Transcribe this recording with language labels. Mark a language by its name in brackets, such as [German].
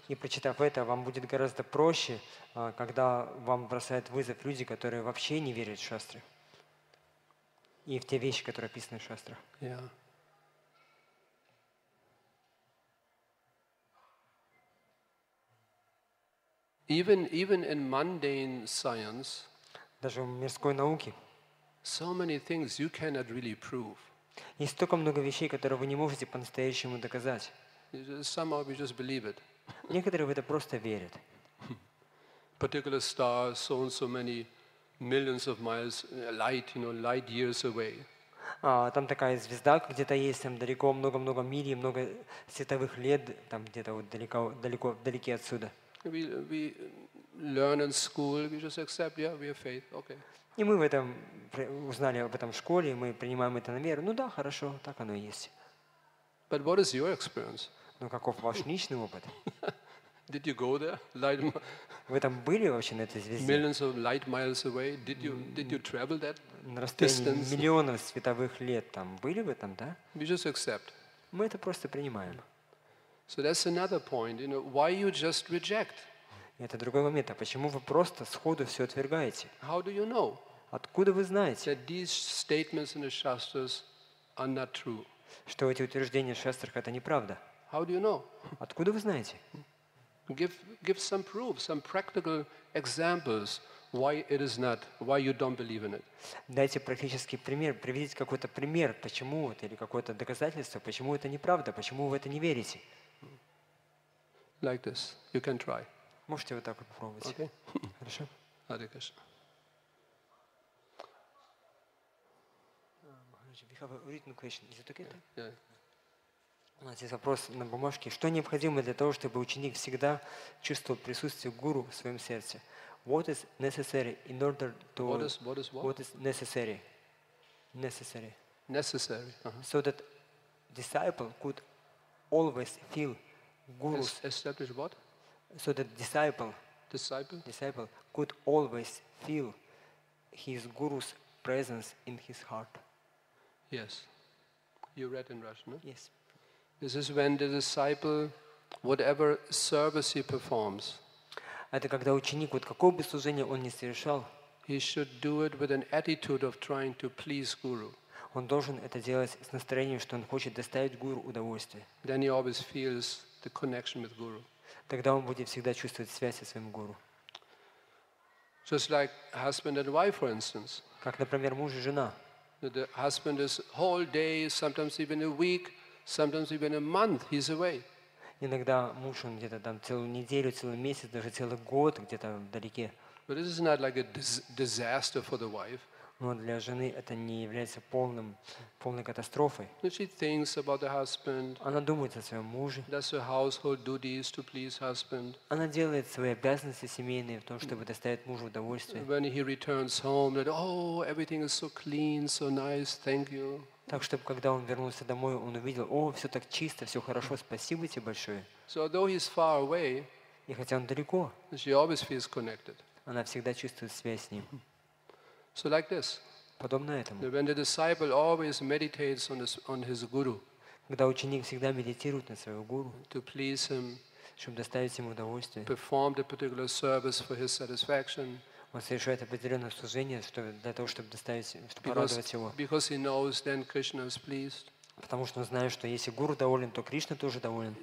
[Russian] И прочитав это, вам будет гораздо проще, когда вам бросают вызов люди, которые вообще не верят в шастры. И в те вещи, которые описаны в шастрах. [English] Yeah. Even in mundane science, [Russian] даже в мирской науке, [English] so many things you cannot really prove. [Russian] Есть столько много вещей, которые вы не можете по-настоящему доказать. [English] Somehow we just believe it. [Russian] Некоторые в это просто верят. [English] Particular stars, so and so many millions of miles light, you know, light years away. [Russian] А там такая звезда, где-то есть там далеко, много-много миль, много световых лет, там где-то вот далеко, вдалеке отсюда. [English] We learn in school. We just accept. Yeah, we have faith. Okay. [Russian] И мы в этом узнали об этом в школе, мы принимаем это на веру. Ну да, хорошо, так оно и есть. [English] But what is your experience? [Russian] Но каков ваш личный опыт? [English] Did you go there? Light. [Russian] Вы там были вообще на этой звезде? [English] Millions of light miles away. Did you travel that distance? [Russian] На расстоянии миллионов световых лет там были вы там, да? [English] We just accept. [Russian] Мы это просто принимаем. [English] So that's another point. You know, why you just reject? [Russian] Это другой момент. А почему вы просто сходу все отвергаете? [English] How do you know? [Russian] Откуда вы знаете? [English] That these statements in the shastras are not true. [Russian] Что эти утверждения в шастрах это неправда? [English] How do you know? [Russian] Откуда вы знаете? [English] Give some proof, some practical examples why it is not, why you don't believe in it. [Russian] Дайте практический пример, приведите какой-то пример, почему это, или какое-то доказательство, почему это неправда, почему вы это не верите. [English] Like this, you can try. [Russian] Можете вот так вот попробовать. [English] Okay. [Russian] Хорошо. Харе Кришна. [English] We have a written question. Is it okay? Yeah. [Russian] У нас есть вопрос на бумажке. Что необходимо для того, чтобы ученик всегда чувствовал присутствие гуру в своем сердце? [English] What is necessary in order to... What is what? What is necessary? Necessary. Necessary. Uh-huh. So that disciple could always feel guru's... Establish what? So that disciple could always feel his guru's presence in his heart. Yes. You read in Russian, no? Yes. This is when the disciple, whatever service he performs, [Russian] это когда ученик, вот какое бы служение он ни совершал, [English] he should do it with an attitude of trying to please guru. [Russian] Он должен это делать с настроением, что он хочет доставить гуру удовольствие. [English] Then he always feels the connection with guru. [Russian] Тогда он будет всегда чувствовать связь со своим гуру. [English] Just like husband and wife, for instance. [Russian] Как, например, муж и жена. [English] the husband is whole day, sometimes even a week, sometimes even a month, he's away. [Russian] Иногда муж он где-то там целую неделю, целый месяц, даже целый год где-то вдалеке. [English] But this is not like a disaster for the wife. [Russian] Но для жены это не является полной катастрофой. [English] But she thinks about the husband. [Russian] Она думает о своем муже. [English] Does her household duties to please husband. [Russian] Она делает свои обязанности семейные в том, чтобы доставить мужу удовольствие. [English] When he returns home, that oh, everything is so clean, so nice, thank you. [Russian] Так, чтобы когда он вернулся домой, он увидел, о, все так чисто, все хорошо, спасибо тебе большое. [English] So although he's far away, [Russian] и хотя он далеко, [English] she always feels connected. [Russian] Она всегда чувствует связь с ним. [English] So like this. [Russian] Подобно этому. [English] When the disciple always meditates on his guru. [Russian] Когда ученик всегда медитирует на своего гуру. [English] To please him. [Russian] Чтобы доставить ему удовольствие. [English] Perform a particular service for his satisfaction. [Russian] Он совершает определенное служение, для того, чтобы порадовать его. [English] Because he knows then Krishna is pleased. [Russian] Потому что он знает, что если гуру доволен, то Кришна тоже доволен.